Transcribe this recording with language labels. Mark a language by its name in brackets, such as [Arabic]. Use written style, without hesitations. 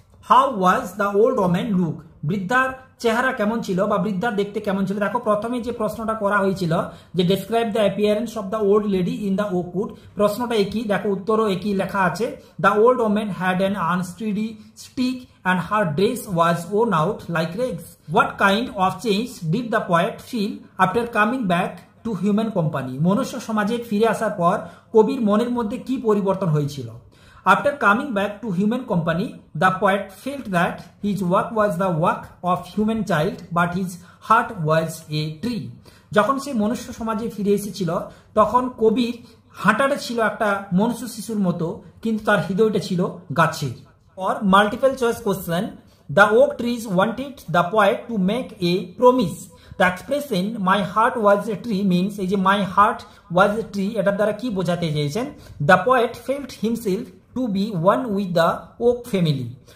[English] How was the old woman look? [Bangla] বৃদ্ধার চেহারা কেমন ছিল বা বৃদ্ধা দেখতে কেমন ছিল? দেখো প্রথমে যে প্রশ্নটা করা হয়েছিল যে [English] describe the appearance of the old lady in the oak wood, [Bangla] প্রশ্নটা একই, দেখো উত্তরও একই লেখা আছে. [English] The old woman had an unsteady stick and her dress was worn out like rags. What kind of change did the poet feel after coming back to human company, [Bangla] মনুষ্য সমাজে ফিরে আসার পর কবির মনের মধ্যে কি পরিবর্তন হয়েছিল? [English] After coming back to human company, the poet felt that his work was the work of human child, but his heart was a tree. [Bangla] যখন সে মনুষ্য সমাজে ফিরে এসেছিল তখন কবির হাঁটাটা ছিল একটা মনুষ্য শিশুর মতো কিন্তু তার হৃদয়টা ছিল গাছের. [English] Or multiple choice question, the oak trees wanted the poet to make a promise. The expression my heart was a tree means [Bangla] এই যে [English] my heart was a tree [Bangla] এটার দ্বারা কি বোঝাতে চাইছেন? [English] The poet felt himself to be one with the oak family.